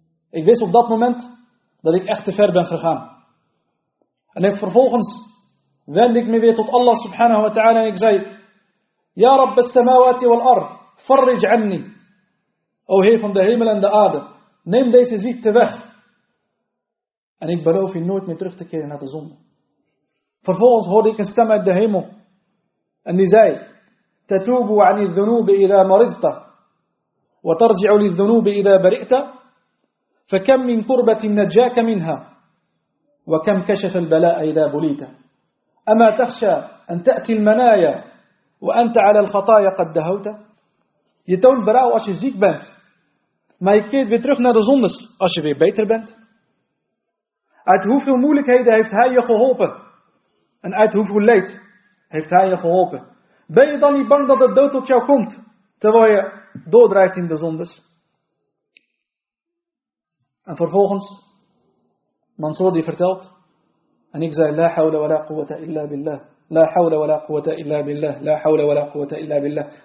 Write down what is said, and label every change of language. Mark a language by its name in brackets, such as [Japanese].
[Dutch] Ik wist op dat moment dat ik echt te ver ben gegaan. En ik vervolgens wendde ik me weer tot Allah subhanahu wa ta'ala en ik zei, [Arabic] Ya Rabb as-samawati wal-ard, farrij anni. [Dutch] O Heer van de hemel en de aarde, neem deze ziekte weg. En ik beloof je nooit meer terug te keren naar de zonde. Vervolgens hoorde ik een stem uit de hemel. [Arabic] En die zei, تتوب عن الذنوب إذا مرضت وترجع للذنوب إذا برئت فكم من قربة نجاك منها وكم كشف البلاء إذا بليت أما تخشى أن تأتي المنايا وأنت على الخطايا قد دهوت [Dutch] Je toont berouw als je ziek bent, maar je keert weer terug naar de zondes als je weer beter bent. Uit hoeveel moeilijkheden heeft hij je geholpen? En uit hoeveel leed heeft hij je geholpen? Ben je dan niet bang dat de dood op jou komt, terwijl je doordrijft in de zondes? En vervolgens, Mansour die vertelt, en ik zei, [Arabic] La hawla wa la quwwata illa billah, [Dutch] la hawla wa la quwwata illa billah, la hawla wa la quwwata illa billah.